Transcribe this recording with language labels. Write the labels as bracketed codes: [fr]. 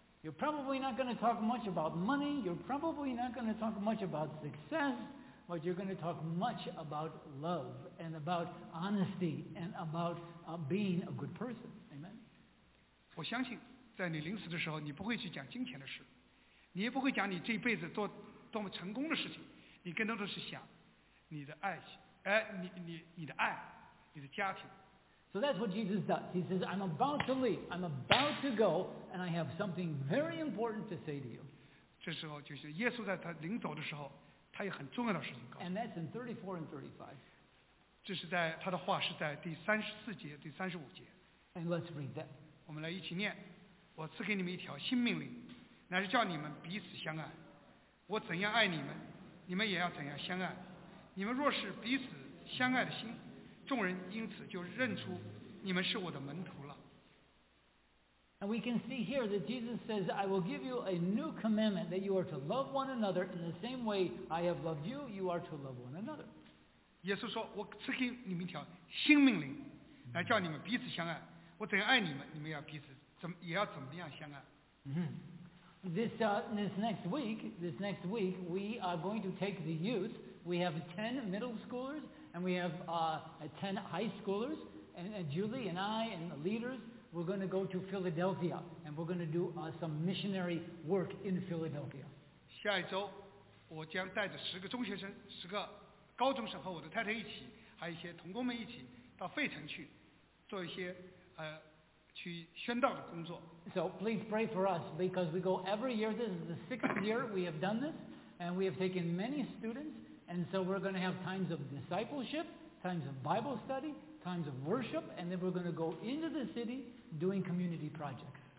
[en] You're probably not going to talk much about money. You're probably not going to talk much about success, but you're going to talk much about love and about honesty and about being a good person. Amen. [zh] 我相信，在你临死的时候，你不会去讲金钱的事，你也不会讲你这辈子做多么成功的事情，你更多的是想你的爱，你的爱，你的家庭。 [en] So that's what Jesus does. He says, I'm about to leave. I'm about to go, and I have something very important to say to you. [zh] 这时候就是耶稣在他临走的时候，他有很重要的事情告诉他。 [en] And that's in 34 and 35. [zh] 这是在他的话是在第34节、第35节。 [en] And let's read that. [zh] 我们来一起念。我赐给你们一条新命令，乃是叫你们彼此相爱。我怎样爱你们，你们也要怎样相爱。你们若是彼此相爱的心，众人因此就认出你们是我的门徒了。 [en] And we can see here that Jesus says, I will give you a new commandment that you are to love one another in the same way I have loved you, you are to love one another. [zh] 耶稣说，我赐给你们一条新命令，来叫你们彼此相爱。我怎样爱你们，你们要彼此怎么样相爱。 [en] This next week, we are going to take the youth. We have 10 middle schoolers. And we have 10 high schoolers, and Julie and I and the leaders, We're going to go to Philadelphia, and we're going to do some missionary work in Philadelphia. [zh] 下一周，我将带着十个中学生、十个高中生和我的太太一起，还有一些同工们一起到费城去做一些去宣道的工作。 [en] So please pray for us because we go every year. This is the sixth year we have done this, and we have taken many students. And so we're going to have times of discipleship, times of Bible study. Times of worship, and then we're going to go into the city doing community projects.